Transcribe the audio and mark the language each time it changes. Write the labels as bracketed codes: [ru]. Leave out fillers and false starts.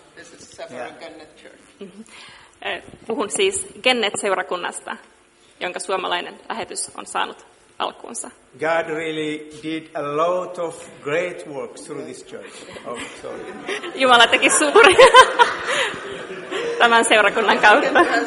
[en] This is Safaragannet Church. [fi] Puhun siis Gannet-seurakunnasta, jonka suomalainen lähetys on saanut alkuunsa. [en] God really did a lot of great work through this church. Oh, sorry. [fi] Jumala teki suuria tämän seurakunnan kautta.